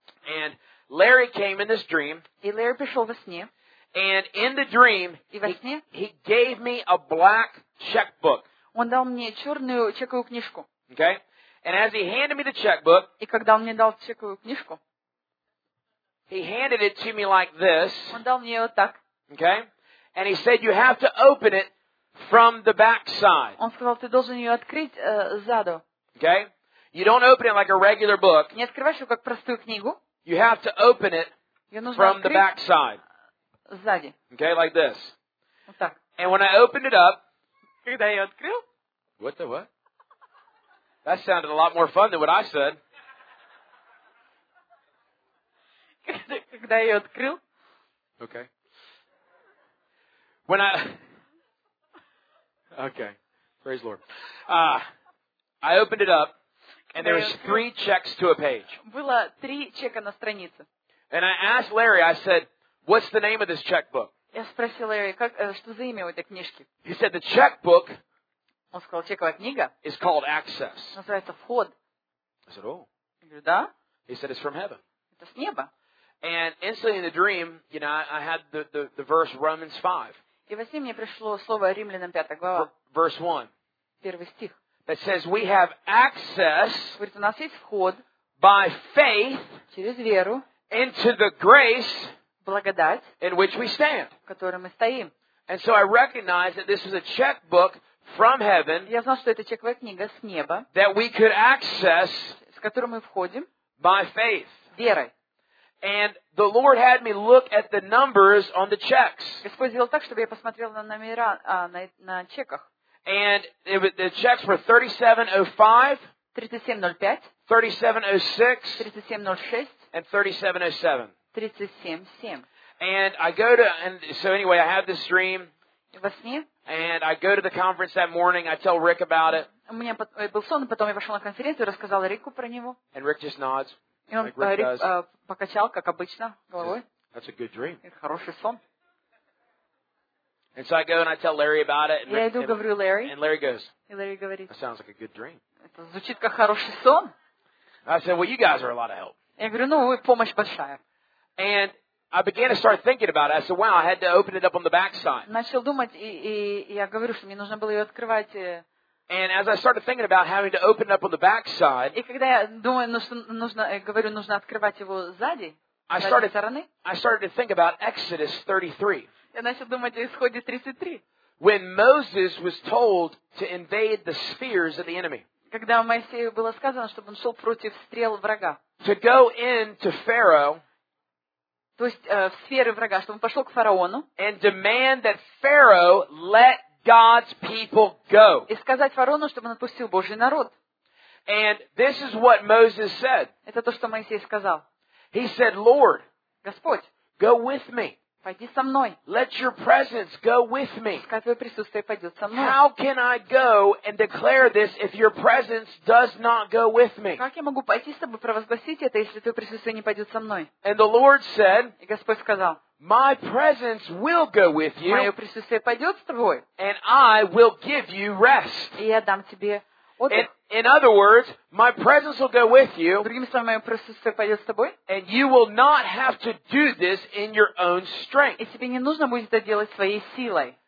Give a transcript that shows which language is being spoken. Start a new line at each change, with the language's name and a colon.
English: And Larry came in this dream,
Russian: и Ларри пришел во сне.
English: And in the dream, he gave me a black checkbook.
Russian: Он дал мне черную чековую книжку.
English: Okay. And as he handed me the checkbook,
Russian: и когда он мне дал чековую книжку,
English: he handed it to me like this.
Russian: Он дал мне вот так.
English: Okay. And he said, "You have to open it from the backside."
Russian: Он сказал, ты должен ее открыть сзаду.
English: Okay. You don't open it like a regular book.
Russian: Не открываешь ее как простую книгу.
English: You have to open it from the backside.
Russian: Сзади.
English: Okay, like this.
Russian: Вот так.
English: And when I opened it up,
Russian: когда я открыл,
English: what? That sounded a lot more fun than what I said.
Russian: Когда я открыл.
English: Okay. When I. Okay. Praise Lord. I opened it up, and there was three checks to a page.
Russian: Было три чека на странице.
English: And I asked Larry. I said, "What's the name of this checkbook?"
Russian: Я спросил Ларри, как что за имя у этой книжки?
English: He said the checkbook.
Russian: Он сказал, чековая книга.
English: Is called Access.
Russian: Называется вход.
English: I said, "Oh."
Russian: Я говорю, да.
English: He said it's from heaven.
Russian: Это с неба.
English: And instantly in the dream, you know, I had the verse Romans 5.
Russian: И во сне мне пришло слово Римлянам 5 глава.
English: Verse 1.
Russian: Первый стих.
English: That says we have access.
Russian: Говорит, у нас есть вход.
English: By faith.
Russian: Через веру.
English: Into the grace.
Russian: Благодать,
English: in which we stand.
Russian: В которой мы стоим.
English: And so I recognize that this is a checkbook from heaven.
Russian: Я знал, что это чековая книга с неба.
English: That we could access.
Russian: С которой мы входим.
English: By faith.
Russian: Верой.
English: And the Lord had me look at the numbers on the checks.
Russian: Господь сделал так, чтобы я посмотрел на номера на чеках.
English: And the checks were 3705.
Russian: 3705.
English: 3706.
Russian: 3706.
English: And 3707.
Russian: 37.7.
English: And I go to, and so anyway, I have this dream. And I go to the conference that morning. I tell Rick about it.
Russian: У меня был сон, потом я пошел на конференцию, рассказал Рику про него.
English: And Rick just nods.
Russian: И он покачал, как обычно, головой.
English: That's a good dream.
Russian: Это хороший сон.
English: And so I go and I tell Larry about it.
Russian: Я иду, говорю Ларри.
English: And Larry goes.
Russian: И Ларри говорит.
English: That sounds like a good dream.
Russian: Это звучит как хороший сон.
English: I said, "Well, you guys are a lot of help."
Russian: Я говорю, ну вы помощь большая.
English: And I began to start thinking about it. I said, "Wow, I had to open it up on the backside."
Russian: Начал думать, и я говорю, что мне нужно было ее открывать.
English: And as I started thinking about having to open it up on the backside,
Russian: и когда я думаю, нужно открывать его сзади, с этой стороны,
English: I started to think about Exodus 33.
Russian: Я начал думать о Исходе 33.
English: When Moses was told to invade the spears of the enemy.
Russian: Когда Моисею было сказано, чтобы он шел против стрел врага.
English: To go into Pharaoh.
Russian: То есть в сферы врага, чтобы он пошел к фараону.
English: And demand that Pharaoh let God's people go.
Russian: И сказать фараону, чтобы он отпустил Божий народ.
English: And this is what Moses said.
Russian: Это то, что Моисей сказал.
English: He said, "Lord,
Russian: Господь,
English: go with me.
Russian: Пойди со мной.
English: Let your presence go with me.
Russian: Пускай твое присутствие пойдет со мной.
English: How can I go and declare this if your presence does not go with me?"
Russian: Как я могу пойти с тобой провозгласить это, если твое присутствие не пойдет со мной?
English: And the Lord said,
Russian: и Господь сказал,
English: "My presence will go with you.
Russian: Мое присутствие пойдет с тобой.
English: And I will give you rest."
Russian: И я дам тебе отдых.
English: In other words, my presence will go with you.
Russian: Другими словами, мое присутствие пойдет с тобой.
English: And you will not have to do this in your own strength.
Russian: И тебе не нужно будет это делать своей силой.